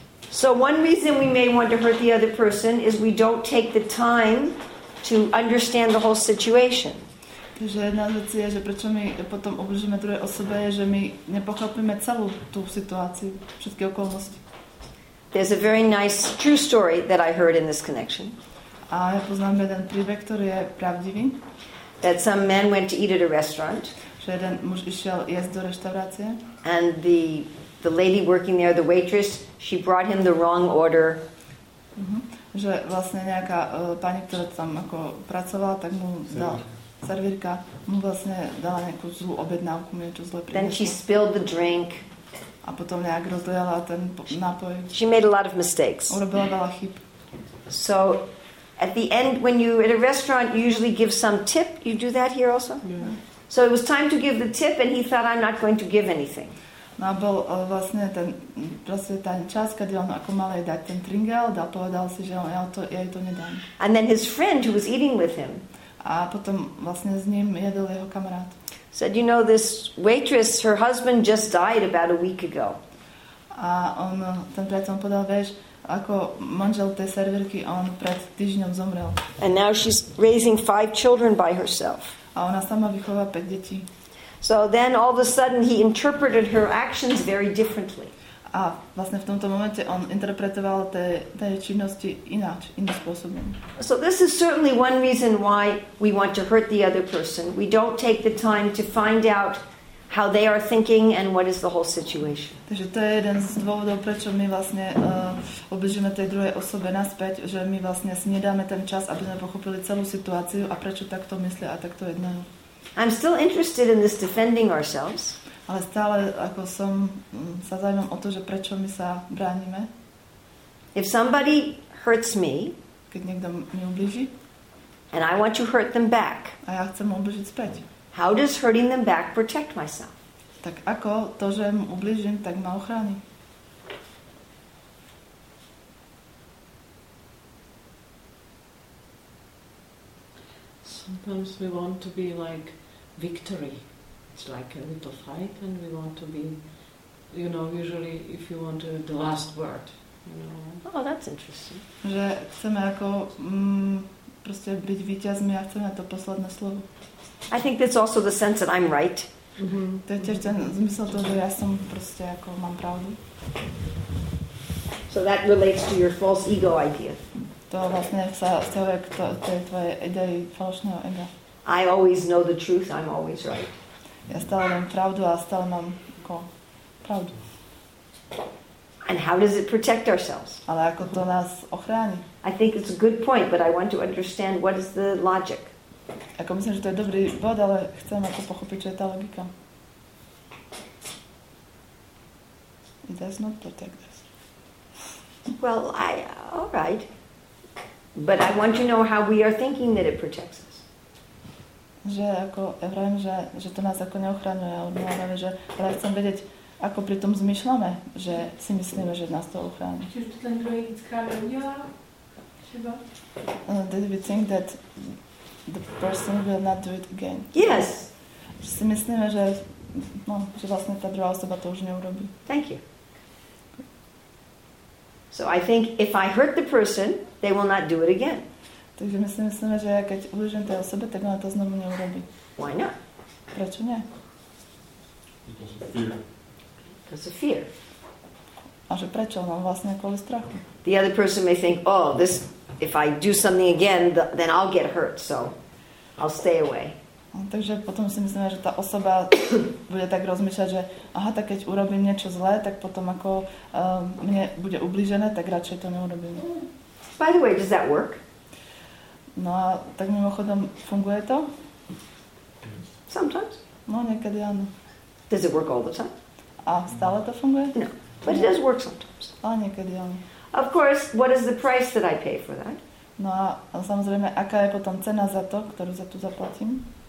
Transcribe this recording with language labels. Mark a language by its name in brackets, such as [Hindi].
[English] So one reason we may want to hurt the other person is we don't take the time to understand the whole situation. [Slovak] Takže jedna vec je, že prečo my potom obližíme druhé osobe, je, že my nepochopíme celú tú situáciu, všetky okolnosti. [English] There's a very nice true story that I heard in this connection. [Slovak] A ja poznám jeden príbeh, ktorý je pravdivý. [English] That some man went to eat at a restaurant. [Slovak] Že jeden muž išiel jesť do reštaurácie. [English] And the lady working there, the waitress, she brought him the wrong order. [Slovak] Že vlastne nejaká pani, ktorá tam ako pracovala, tak mu dala servírka, mu vlastne dala nejakú zlú objednávku, mu niečo zle prinesla. [English] Then she spilled the drink. [Slovak] A potom nejak rozliala ten nápoj. [English] She made a lot of mistakes. [Slovak] Urobila veľa chyb. [English] So at the end, when you at a restaurant, you usually give some tip. You do that here also? Yeah. So it was time to give the tip, and he thought, I'm not going to give anything. [Slovak] No, bol vlastne ten, proste ten čas, kedy on ako mal jej dať ten tringel, a povedal si, že ja to nedám. [English] And then his friend, who was eating with him, [Slovak] a potom vlastne s ním jedol jeho kamarát, [English] said, you know, this waitress, her husband just died about a week ago. [Slovak] A on, ten priateľ podal, vieš, ako manžel tej servírky, on pred týždňom zomrel. [English] And now she's raising 5 children by herself. [Slovak] A ona sama vychová 5 detí. [English] So then all of a sudden he interpreted her actions very differently. [Slovak] A vlastne v tomto momente on interpretoval tie činnosti ináč, iným spôsobom. [English] So this is certainly one reason why we want to hurt the other person. We don't take the time to find out how they are thinking and what is the whole situation. [Slovak] Takže to je jeden z dôvodov, prečo my vlastne obližíme tej druhej osobe naspäť, že my vlastne si nedáme ten čas, aby sme pochopili celú situáciu a prečo takto myslia a takto jednajú. [English] I'm still interested in this defending ourselves. [Slovak] Ale stále ako som sa zaujímam o to, že prečo my sa bránime. [English] If somebody hurts me, [Slovak] keď niekto mi ublíži, [English] and I want to hurt them back, [Slovak] a ja chcem ublížiť späť, [English] how does hurting them back protect myself? [Slovak] Tak ako to, že mu ublížim, tak ma ochráni. [English] Sometimes we want to be like victory. It's like a little fight and we want to be, you know, usually if you want to, the last word. You know. Oh, that's interesting. [Slovak] Že chceme ako proste byť víťazmi a chceme to posledné slovo. [English] I think that's also the sense that I'm right. [Slovak] To je tiež ten zmysel toho, že ja som proste ako mám pravdu. [English] So that relates to your false ego idea. [Slovak] To vlastne sa vzťahuje k tej tvojej idei falošného ega. [English] I always know the truth, I'm always right. [Slovak] Ja stále mám pravdu a stále mám ako pravdu. [English] And how does it protect ourselves? [Slovak] Ale ako to nás ochráni? [English] I think it's a good point, but I want to understand what is the logic. [Slovak] Ako myslím, že to je dobrý bod, ale chcem ako pochopiť, čo je tá logika. [English] It does not protect us. Well, all right. But I want to know how we are thinking that it protects us. [Slovak] Že ako, ja vravím, že to nás ako neochraňuje, ale chcem vedieť, ako pri tom zmyšľame, že si myslíme, že nás to ochráni. Čiže to ten druhý skrát udiela? [English] Did we think that the person will not do it again? Yes. [Slovak] Že si myslíme, že, no, že vlastne tá druhá osoba to už neurobí. [English] Thank you. So I think if I hurt the person, they will not do it again. [Slovak] Takže my si myslíme, že keď ublížim tej osobe, tak ona to znovu neurobí. [English] Why not? [Slovak] Prečo nie? [English] Because of fear. [Slovak] A že prečo? No vlastne kvôli strachu. [English] The other person may think, oh, this, if I do something again, then I'll get hurt, so I'll stay away. [Slovak] Takže potom si myslíme, že tá osoba bude tak rozmýšľať, že aha, tak keď urobím niečo zlé, tak potom ako mne bude ublížené, tak radšej to neurobím. [English] By the way, does that work? [Slovak] No a tak mimochodom, funguje to? [English] Sometimes. [Slovak] No, niekedy áno. [English] Does it work all the time? [Slovak] A stále to funguje? [English] No, but it does work sometimes. [Slovak] A niekedy áno. [English] Of course, what is the price that I pay for that? [Slovak] No a samozrejme, aká je potom cena za to, ktorú za tu zaplatím?